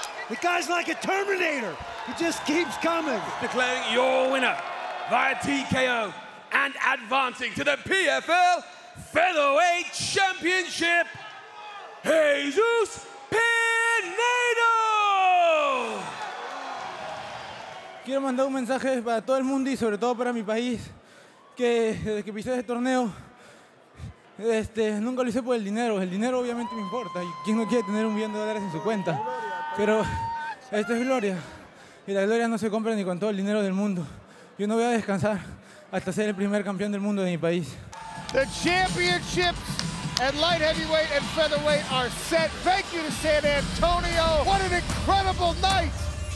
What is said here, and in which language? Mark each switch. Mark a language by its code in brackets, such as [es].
[en] The guy's like a Terminator. He just keeps coming. Declaring your winner via TKO and advancing to the PFL Featherweight Championship, Jesus Pinedo! [es] Quiero mandar un mensaje para todo el mundo y sobre todo para mi país, que desde que pisé este torneo, nunca lo hice por el dinero. El dinero obviamente me importa, y quién no quiere tener $1,000,000 en su cuenta. Pero esto es gloria, y la gloria no se compra ni con todo el dinero del mundo. Yo no voy a descansar hasta ser el primer campeón del mundo de mi país. [en] The championships at light heavyweight and featherweight are set. Thank you to San Antonio. What an incredible night!